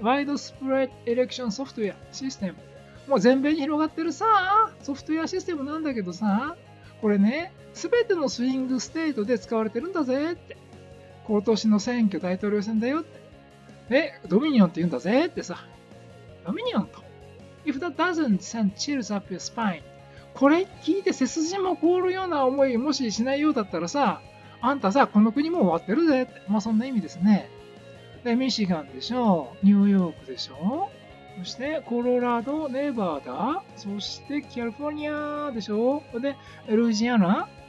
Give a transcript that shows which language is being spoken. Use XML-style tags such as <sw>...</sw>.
<ja>ワイドスプレッドエレクションソフトウェアシステム。もう全米に広がってるさ、ソフトウェアシステムなんだけどさ、これね、すべてのスイングステートで使われてるんだぜって。今年の選挙大統領選だよって。え、ドミニオンって言うんだぜってさ。ドミニオンと。</ja> <en>If that doesn't send chills up your spine.</en> <ja>これ聞いて背筋も凍るような思いもししないようだったらさ、あんたさ、この国もう終わってるぜって。まあそんな意味ですね。で、ミシガンでしょ、ニューヨークでしょ、そしてコロラド、ネバーダ、そしてカリフォルニアでしょ、で、ルイジアナ。</ja>